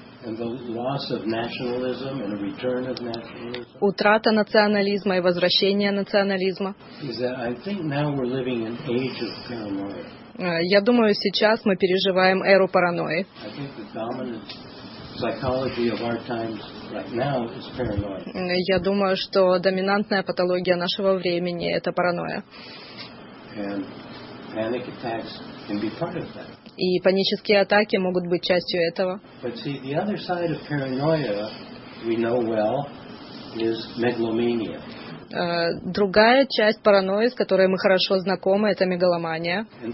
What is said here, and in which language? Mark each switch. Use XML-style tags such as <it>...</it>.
<en>and the loss of nationalism and a return of nationalism.</en> <ru>Утрата национализма и возвращение национализма.</ru> <en>I think now we're living in age of paranoia.</en> <ru>Я думаю, сейчас мы переживаем эру паранойи.</ru> <en>I think the dominant psychology of our times right now is paranoia.</en> <ru>Я думаю, что доминантная патология нашего времени это паранойя.</ru> <en>And panic attacks can be part of that.</en> <ru>И панические атаки могут быть частью этого. Другая часть паранойи, с которой мы хорошо знакомы, это мегаломания.</ru>